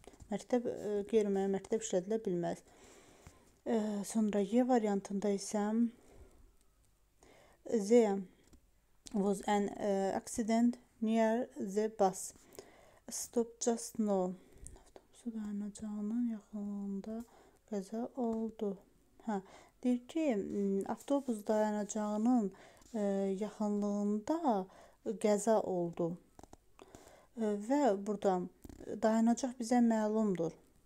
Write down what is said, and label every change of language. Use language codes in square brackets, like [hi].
[az] Məktəb görməyə məktəb işlədilə bilməz. Sonra Y variantında isə [en] There was an accident near the bus stop just now. [az] Avtobusun dayanacağının yaxınlığında qəza oldu. Ha, deyir ki, avtobus dayanacağının yaxınlığında qəza oldu. Və burada dayanacaq bizə məlumdur.